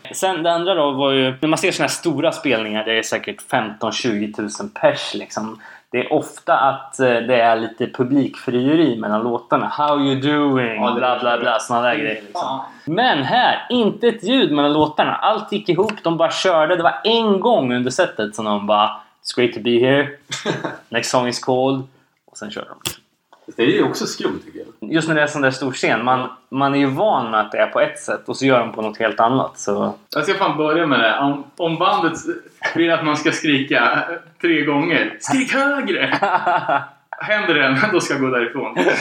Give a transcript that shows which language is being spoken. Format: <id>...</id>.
<sv>Sen det andra då var ju, när man ser såna här stora spelningar, det är säkert 15-20 000 pers liksom. Det är ofta att det är lite publikfrieri mellan låtarna.</sv> <en>How you doing?</en> <sv>Ja, bla bla bla, såna där grejer liksom. Men här, inte ett ljud mellan låtarna. Allt gick ihop, de bara körde. Det var en gång under setet som de bara,</sv> <en>it's great to be here. Next song is called.</en> <sv>och sen kör de. Det är ju också skumt tycker jag. Just när det är en sån där stor scen, man är ju van med att det är på ett sätt och så gör de på något helt annat. Så. Jag ska fan börja med det. Om bandet vill att man ska skrika 3 gånger, skrik högre! Händer det, då ska jag gå därifrån.</sv>